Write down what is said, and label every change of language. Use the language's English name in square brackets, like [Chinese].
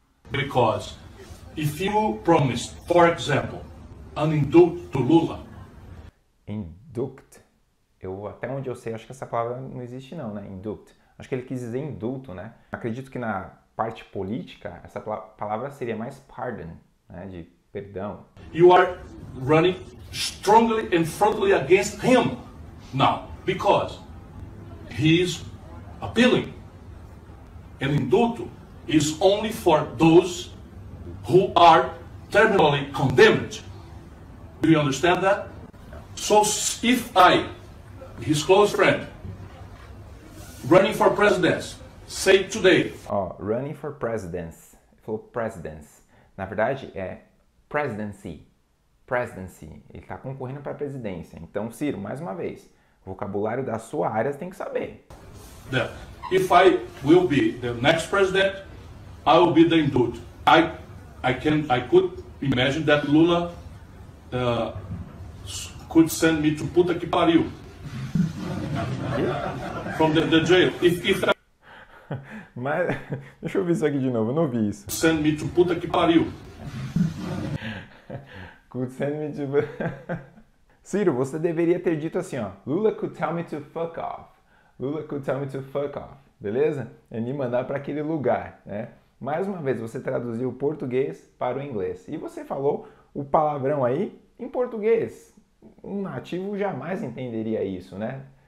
[English] Because if you promised, for example, an induct to Lula. Induct? [Portuguese] Até onde eu sei, acho que essa palavra não existe não, né? Induct. Acho que ele quis dizer indulto, né? Acredito que na parte política, essa palavra seria mais pardon. Né, de perdão. [English] You are running strongly and frontally against him now because he is appealing. An indulto is only for those who are terminally condemned. Do you understand that? So if I, his close friend, running for president, say today. Oh, running for president. [Portuguese] falou presidency. Na verdade, é presidency. Presidency. Ele está concorrendo para a presidência. Então, Ciro, mais uma vez, vocabulário da sua área você tem que saber. [English] Yeah. If I will be the next president, I will be the induit. I could imagine that Lula could send me to [Portuguese] puta que pariu. [English] From the jail. [Portuguese] Mas deixa eu ver isso aqui de novo, eu não vi isso. [English] Send me to [Portuguese] puta que pariu. [English] Could send me to... [Portuguese] Ciro, você deveria ter dito assim, ó. [English] Lula could tell me to fuck off. Lula could tell me to fuck off. [Portuguese] Beleza? É me mandar para aquele lugar, né? Mais uma vez, você traduziu o português para o inglês. E você falou o palavrão aí em português. Um nativo jamais entenderia isso, né?